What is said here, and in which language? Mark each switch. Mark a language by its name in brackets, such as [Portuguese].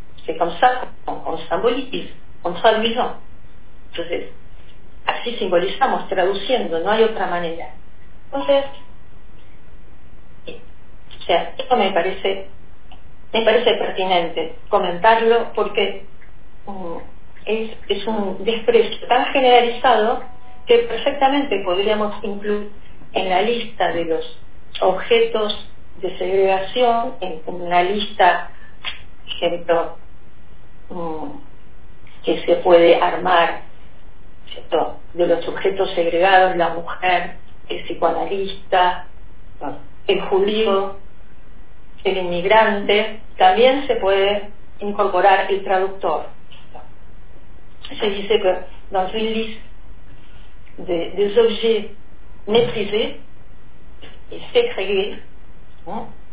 [French] C'est comme ça qu'on symbolise, en traduisant. [Spanish] Entonces, así simbolizamos, traduciendo, no hay otra manera. Entonces, esto me parece pertinente comentarlo porque es un desprecio tan generalizado que perfectamente podríamos incluir en la lista de los objetos de segregación, en una lista, por ejemplo, que se puede armar, ¿cierto? De los objetos segregados, la mujer, el psicoanalista, el judío, el inmigrante, también se puede incorporar el traductor. Se dice que [French] dans une liste des objets méprisés y ségrégés, ¿no?